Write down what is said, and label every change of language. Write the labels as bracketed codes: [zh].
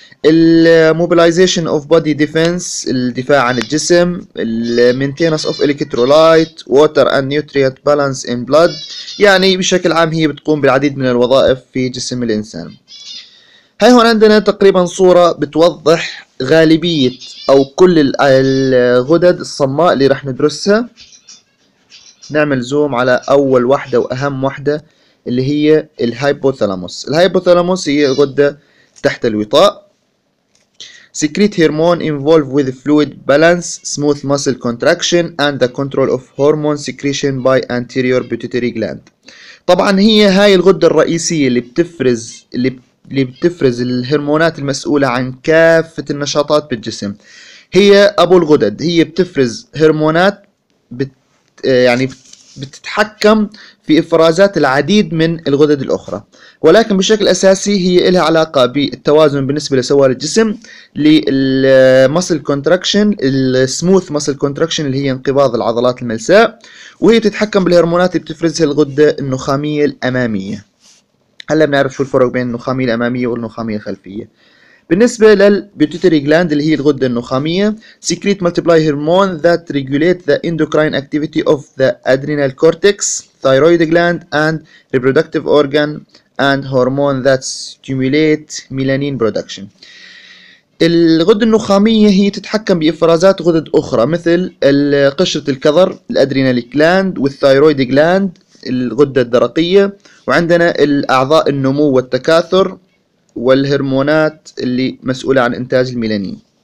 [en] الموبيلايزيشن of body defence, [ar] الدفاع عن الجسم، [en] المينتيننس of electrolyte, water and nutrient balance in blood, [ar] يعني بشكل عام هي بتقوم بالعديد من الوظائف في جسم الانسان. هاي هون عندنا تقريبا صورة بتوضح غالبية او كل الغدد الصماء اللي رح ندرسها. نعمل زوم على اول واحدة واهم واحدة اللي هي الهايبوثالاموس. الهايبوثالاموس هي غدة تحت الوطاء، [en] secrete hormone involved with fluid balance, smooth muscle contraction and the control of hormone secretion by anterior pituitary gland. [ar] طبعا هي هاي الغدة الرئيسية اللي بتفرز الهرمونات المسؤولة عن كافة النشاطات بالجسم. هي ابو الغدد، هي بتفرز هرمونات يعني بتتحكم في إفرازات العديد من الغدد الأخرى، ولكن بشكل أساسي هي لها علاقة بالتوازن بالنسبة لسوائل الجسم، للمسل كونتراكشن، السموث مسل كونتراكشن اللي هي انقباض العضلات الملساء، وهي تتحكم بالهرمونات اللي بتفرزها الغدة النخامية الأمامية. هلا بنعرف شو الفرق بين النخامية الأمامية والنخامية الخلفية. بالنسبة للبيتوتري جلاند اللي هي الغدة النخامية، [en] secrete multiply hormone that regulate the endocrine activity of the adrenal cortex, thyroid gland and reproductive organ and hormone that stimulate melanin production. [ar] الغدة النخامية هي تتحكم بإفرازات غدد أخرى مثل قشرة الكظر، الأدرينال جلاند والثايرويد جلاند، الغدة الدرقية، وعندنا الأعضاء النمو والتكاثر والهرمونات اللي مسؤولة عن إنتاج الميلانين.